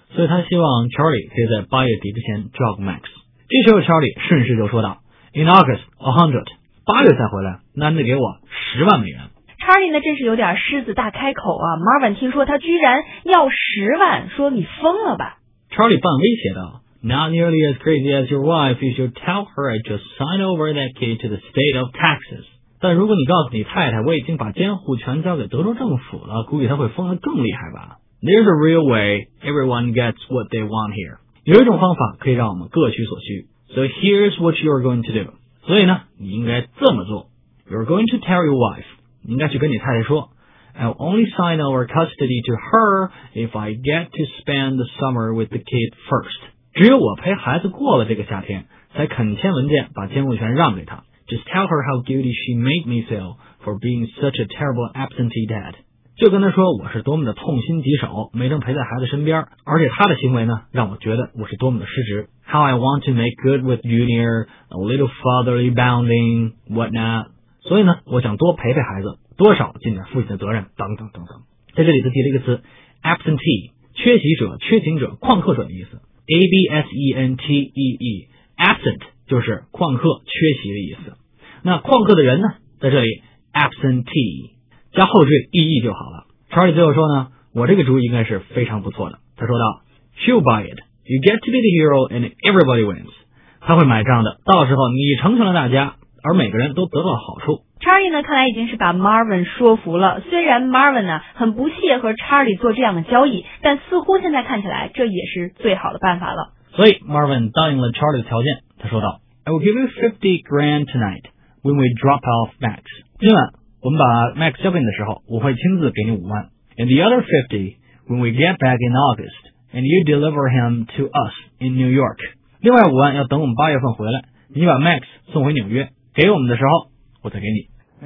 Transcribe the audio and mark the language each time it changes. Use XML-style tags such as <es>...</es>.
<zh>所以他希望 Charlie 可以在8月底之前</zh> <en>drop Max。</en> <zh>这时候 Charlie 顺势就说道</zh> <en>In August, 100,</en> <zh>8月再回来，那你得给我$100,000。 Charlie 呢，真是有点狮子大开口啊。Marvin 听说他居然要10万，说你疯了吧。</zh> <en>Charlie</en> <zh>半威胁道</zh> <en>Not nearly as crazy as your wife, you should tell her I just signed over that kid to the state of Texas.</en> <zh>但如果你告诉你太太我已经把监护权交给德州政府了，估计他会疯得更厉害吧。</zh> <en>There's a real way everyone gets what they want here.</en> <zh>有一种方法可以让我们各取所需。</zh> <en>So here's what you're going to do.</en> <zh>所以呢，你应该这么做。</zh> <en>You're going to tell your wife.</en> <zh>你应该去跟你太太说</zh> <en>I'll only sign over custody to her if I get to spend the summer with the kid first.</en> <zh>只有我陪孩子过了这个夏天，才肯签文件把监护权让给他。</zh> <en>Just tell her how guilty she made me feel for being such a terrible absentee dad.</en> <zh>就跟他说我是多么的痛心疾首，没能陪在孩子身边，而且他的行为呢，让我觉得我是多么的失职。</zh> <en>How I want to make good with Junior, a little fatherly bounding, whatnot.</en> <zh>所以呢，我想多陪陪孩子，多少尽点父亲的责任，等等等等。在这里他提了一个词 ，absentee， 缺席者、缺勤者、旷课者的意思。 absentee， absent 就是旷课、缺席的意思。那旷课的人呢，在这里 absentee 加后缀 ee 就好了。 Charlie 最后说呢，我这个主意应该是非常不错的。他说道 ，</zh> <en>She'll buy it. You get to be the hero, and everybody wins.</en> <zh>他会买账的，到时候你成全了大家。而每个人都得到好处。 Charlie 呢，看来已经是把 Marvin 说服了。虽然 Marvin 呢很不屑和 Charlie 做这样的交易，但似乎现在看起来这也是最好的办法了。所以 Marvin 答应了 Charlie 的条件。他说道</zh> <en>I will give you $50,000 tonight when we drop off Max.</en> <zh>今晚我们把 Max 交给你的时候，我会亲自给你5万。</zh> <en>And the other $50,000 when we get back in August and you deliver him to us in New York.</en> <zh>另外5万要等我们8月份回来，你把 Max 送回纽约，给我们的时候我再给你。</zh>